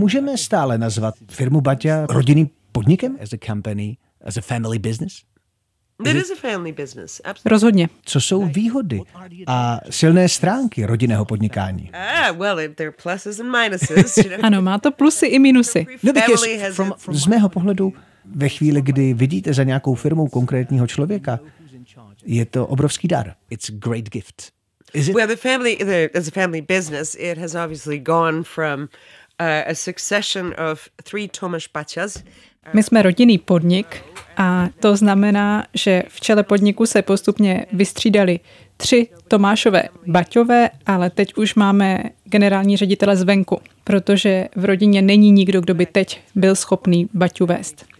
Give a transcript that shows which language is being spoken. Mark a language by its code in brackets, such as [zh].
[cs] můžeme stále nazvat firmu Baťa rodinným podnikem? [en] As a company, as a family business? It is a family business, absolutely. Rozhodně. [cs] Co jsou výhody a silné stránky rodinného podnikání? [en] There are pluses and minuses. [cs] Ano, má to plusy i minusy. No, z mého pohledu, ve chvíli, kdy vidíte za nějakou firmou konkrétního člověka, je to obrovský dar. [en] It's a great gift. Is it? Well, the family, as a family business, it has obviously gone from a succession of 3 Tomáš Baťas. [cs] My jsme rodinný podnik a to znamená, že v čele podniku se postupně vystřídali 3 Tomášové Baťové, ale teď už máme generální ředitele zvenku, protože v rodině není nikdo, kdo by teď byl schopný Baťu vést.